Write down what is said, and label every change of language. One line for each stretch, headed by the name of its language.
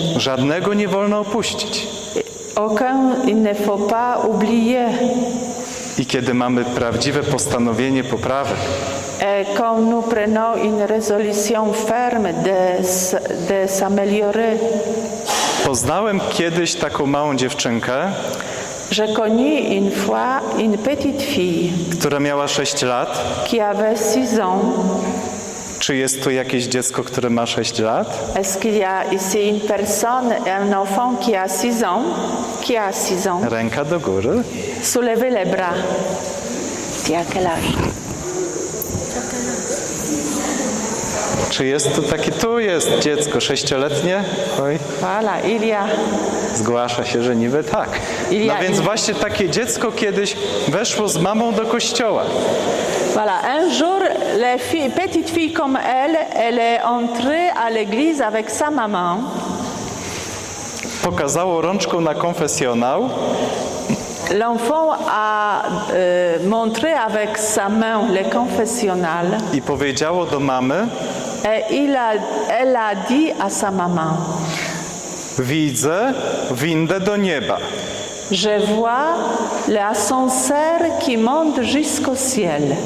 Polish: Żadnego nie wolno opuścić.
French: Aucun il ne faut pas oublier.
Polish: I kiedy mamy prawdziwe postanowienie poprawy.
French: Quand nous prenons une résolution ferme de s'améliorer.
Polish: Poznałem kiedyś taką małą dziewczynkę.
French: Je connais une fois une petite fille.
Polish: Która miała 6 lat.
French: Qui avait 6 ans.
Polish: Czy jest tu jakieś dziecko, które ma 6 lat?
French: Est-ce qu'il y a ici une personne, un enfant qui a 6 ans? Qui a 6 ans?
Polish: Ręka do góry.
French: Soulevez les bras. Tu as quel âge?
Polish: Czy jest tu taki? Tu jest dziecko, 6-letnie.
French: Oj. Voilà, il y a.
Polish: Zgłasza się, że niby tak. No więc właśnie takie dziecko kiedyś weszło z mamą do kościoła.
French: Voilà, un jour, la fille, petite fille comme elle, elle est entrée à l'église avec sa maman.
Polish: Pokazało rączką na konfesjonał.
French: L'enfant a montré avec sa main le confessionnal.
Polish: I powiedziało do mamy.
French: Et elle a dit à sa maman.
Polish: Widzę windę do nieba.
French: Je vois l'ascenseur qui monte jusqu'au ciel.